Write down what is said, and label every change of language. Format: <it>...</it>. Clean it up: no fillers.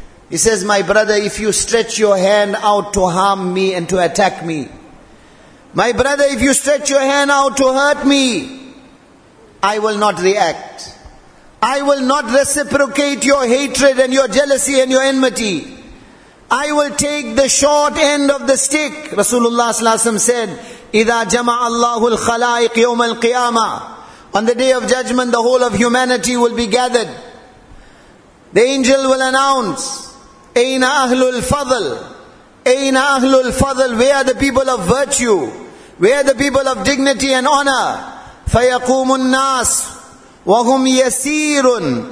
<en>He says, my brother, if you stretch your hand out to harm me and to attack me, my brother, if you stretch your hand out to hurt me, I will not react. I will not reciprocate your hatred and your jealousy and your enmity. I will take the short end of the stick.</en> <ar>Rasulullah sallallahu alaihi wasallam said, إِذَا جَمَعَ اللَّهُ الْخَلَائِقِ يَوْمَ الْقِيَامَةِ.</ar> <en>On the day of judgment, the whole of humanity will be gathered. The angel will announce,</en> <ar>أَيْنَ أَهْلُ الْفَضْلِ. أَيْنَ أَهْلُ الْفَضْلِ.</ar> <en>Where are the people of virtue? Where are the people of dignity and honor?</en> <ar>فَيَقُومُ النَّاسُ وَهُمْ يَسِيرٌ.</ar>